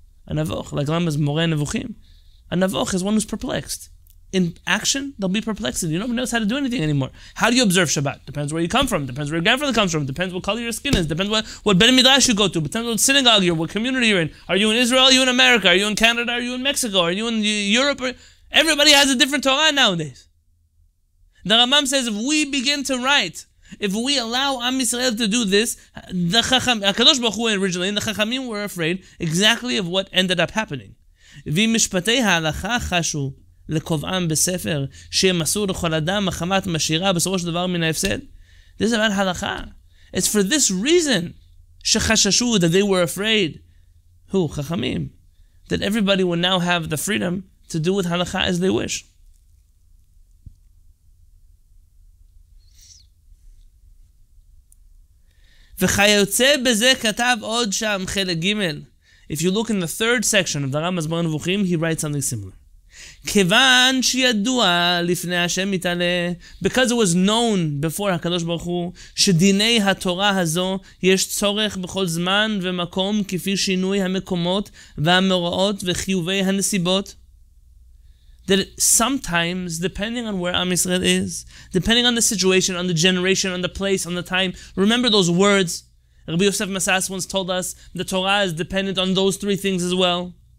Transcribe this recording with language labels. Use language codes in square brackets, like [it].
[he] A נבוך, like למה מורה נבוכים? [en] A נבוך is one who's perplexed. In action, they'll be perplexed. You don't know how to do anything anymore. How do you observe Shabbat? Depends where you come from. Depends where your grandfather comes from. Depends what color your skin is. Depends what Ben Midrash you go to. Depends what synagogue you're in, what community you're in. Are you in Israel? Are you in America? Are you in Canada? Are you in Mexico? Are you in Europe? Everybody has a different Torah nowadays. The Rambam says, if we begin to write, if we allow Am Yisrael to do this, the Chacham, HaKadosh Baruch Hu originally, and the Chachamim were afraid exactly of what ended up happening. [he] V'mishpatei ha'alacha chashu לקובעם בספר שהם עשו לכל אדם מחמת משאירה בסופו של דבר מן ההפסד. [en] This is about הלכה. It's for this reason שחששו, that they were afraid. Who? חכמים. That everybody will now have the freedom to do with הלכה as they wish. [he] וכיוצא בזה כתב עוד שם חלק ג' [en] If you look in the third section of the Rambam's Moreh Nevuchim, he writes something similar. [he] כיוון שידוע לפני השם מתעלה, [en] because it was known before [he] הקדוש ברוך הוא, שדיני התורה הזו יש צורך בכל זמן ומקום כפי שינוי המקומות והמראות וחיובי הנסיבות. [en] That sometimes, depending on where Am Yisrael is, depending on the situation, on the generation, on the place, on the time, remember those words. Rabbi Yosef Masas once told us, the Torah is dependent on those three things as well.